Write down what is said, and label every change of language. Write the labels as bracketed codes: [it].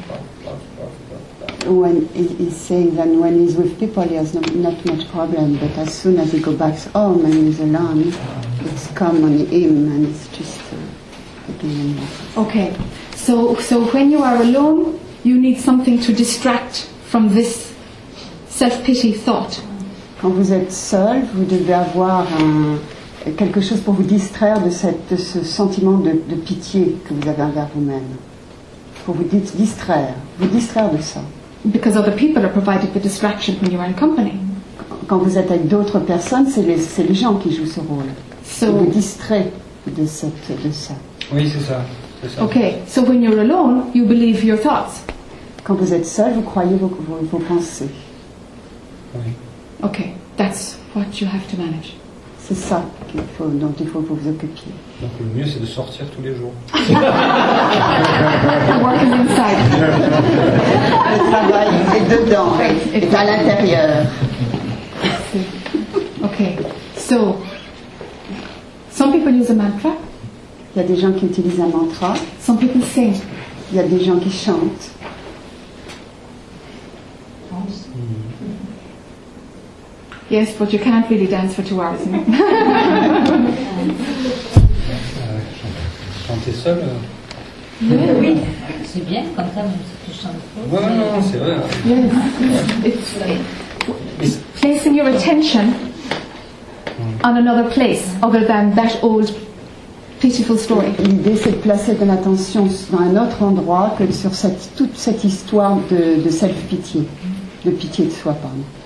[en] When he says that when he's with people, he has not much problem, but as soon as he goes back home and he's alone. It's come on him, and it's just beginning. Okay, so when you are alone, you need something to distract from this self-pity thought. [fr] Quand vous êtes seul, vous devez avoir quelque chose pour vous distraire de ce sentiment de pitié que vous avez envers vous-même. Pour vous distraire de ça. [en] Because other people are provided the distraction when you are in company. [fr] Quand vous êtes avec d'autres personnes, c'est les gens qui jouent ce rôle. [en] So [fr] vous distrait de ça. Oui, c'est ça. [en] Okay. So when you're alone, you believe your thoughts. [fr] Quand vous êtes seul, vous croyez vos pensées. Oui. [en] Okay. That's what you have to manage. [fr] C'est ça dont il faut vous occuper. Donc le mieux c'est de sortir tous les jours. [en] The work is inside. [fr] Le travail est dedans. Est à l'intérieur. [en] Okay. So some people use a mantra. [fr] Il y a des gens qui utilisent un mantra. [en] Some people sing. [fr] Il y a des gens qui chantent. [en] Dance. Yes, but you can't really dance for 2 hours. [fr] Chanter seul. Oui, c'est bien quand même. Tu chantes. Ouais, non, c'est vrai. [en] Placing your attention on another place other than that old pitiful story. [fr] L'idée c'est de placer de l'attention dans un autre endroit que sur toute cette histoire de self-pity, de pitié de soi, pardon.